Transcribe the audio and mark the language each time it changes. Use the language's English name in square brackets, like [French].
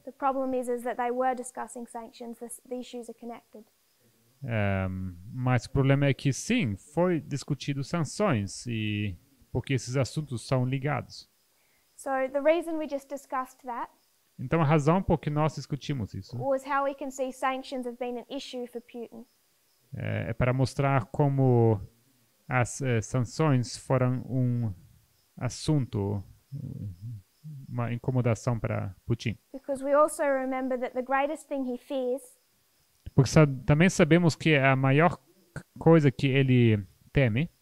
[English] The problem is that they were discussing sanctions. The issues are connected. [Portuguese] Mas o problema é que sim, foi discutido sanções e porque esses assuntos são ligados. [English] So the reason we just discussed that. [Portuguese] Então a razão por que nós discutimos isso. [English] Was how we can see sanctions have been an issue for Putin. [Portuguese] É para mostrar como as sanções foram um assunto. Uma incomodação para Putin. [English] Because we also remember that the greatest thing he fears. [Portuguese] Porque também sabemos que a maior coisa que ele teme.